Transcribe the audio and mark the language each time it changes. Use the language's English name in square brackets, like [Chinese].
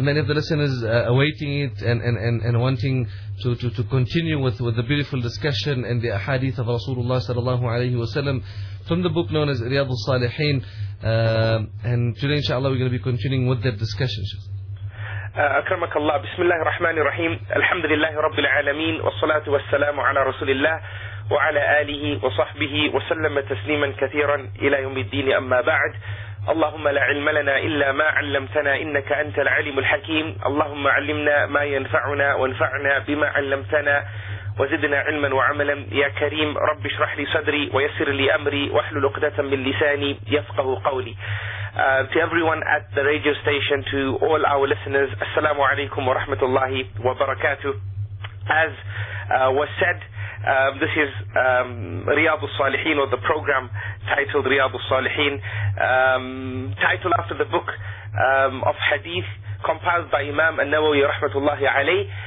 [English] Many of the listeners awaiting it and wanting to continue with the beautiful discussion and the ahadith of Rasulullah sallallahu alayhi wa sallam from the book known as Riyad al-Salihin. And today, inshallah, we're going to be continuing with that discussion. [Arabic] أكرمك الله. بسم الله الرحمن الرحيم. الحمد لله رب العالمين، والصلاة والسلام على رسول الله وعلى آله وصحبه وسلم تسليما كثيرا إلى يوم الدين. أما بعد، اللهم لا علم لنا إلا ما علمتنا، إنك أنت العليم الحكيم. اللهم علمنا ما ينفعنا، وانفعنا بما علمتنا، وزدنا علما وعملا. يا كريم، رب اشرح لي صدري، ويسر لي أمري، واحلل عقدة من لساني يفقه قولي. [English] To everyone at the radio station, to all our listeners, assalamu alaikum wa rahmatullahi wa barakatuh. As was said, This is Riyadh al-Salihin, or the program titled Riyadh al-Salihin, titled after the book of Hadith compiled by Imam al-Nawawi rahmatullahi alayh.